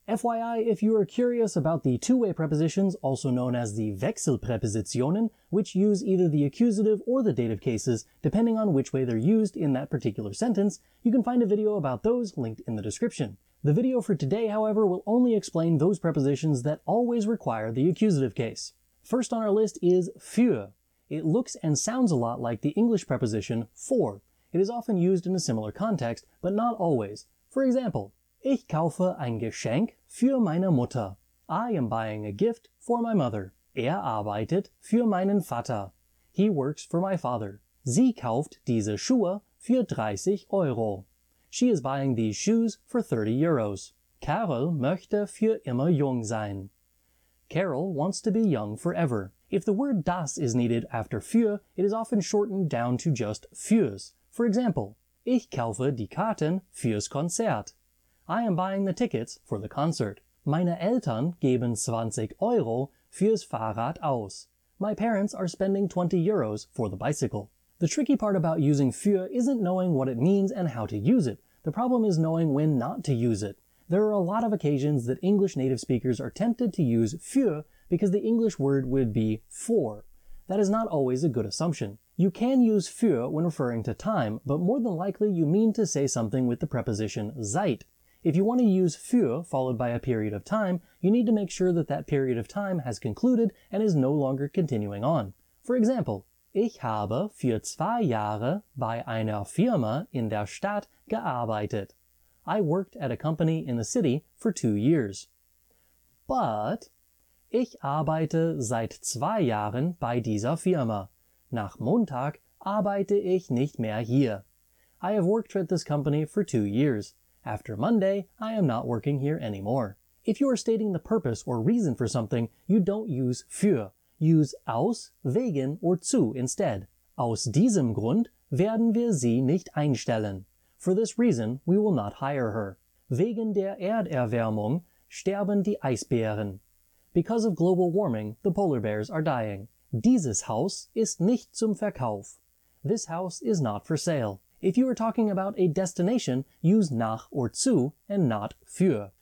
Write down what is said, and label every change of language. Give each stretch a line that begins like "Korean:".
English: FYI, if you are curious about the two-way prepositions, also known as the Wechselpräpositionen, which use either the accusative or the dative cases, depending on which way they're used in that particular sentence, you can find a video about those linked in the description. The video for today, however, will only explain those prepositions that always require the accusative case. First on our list is für. It looks and sounds a lot like the English preposition for. It is often used in a similar context, but not always. For example,
German: ich kaufe ein Geschenk für meine Mutter.
English: I am buying a gift for my mother.
German: Er arbeitet für meinen Vater.
English: He works for my father.
German: Sie kauft diese Schuhe für 30 Euro.
English: She is buying these shoes for 30 euros.
German: Carol möchte für immer jung sein.
English: Carol wants to be young forever. If the word das is needed after für, it is often shortened down to just fürs. For example,
German: ich kaufe die Karten fürs Konzert.
English: I am buying the tickets for the concert.
German: Meine Eltern geben 20 Euro fürs Fahrrad aus.
English: My parents are spending 20 euros for the bicycle. The tricky part about using für isn't knowing what it means and how to use it. The problem is knowing when not to use it. There are a lot of occasions that English native speakers are tempted to use für because the English word would be for. That is not always a good assumption. You can use für when referring to time, but more than likely you mean to say something with the preposition Zeit. If you want to use für followed by a period of time, you need to make sure that that period of time has concluded and is no longer continuing on. For example,
German: ich habe für 2 Jahre bei einer Firma in der Stadt gearbeitet.
English: I worked at a company in the city for 2 years. But
German: ich arbeite seit 2 Jahren bei dieser Firma. Nach Montag arbeite ich nicht mehr hier.
English: I have worked at this company for 2 years. After Monday, I am not working here anymore. If you are stating the purpose or reason for something, you don't use für. Use aus, wegen, or zu instead.
German: Aus diesem Grund werden wir sie nicht einstellen.
English: For this reason, we will not hire her.
German: Wegen der Erderwärmung sterben die Eisbären.
English: Because of global warming, the polar bears are dying.
German: Dieses Haus ist nicht zum Verkauf.
English: This house is not for sale. If you are talking about a destination, use nach or zu and not für.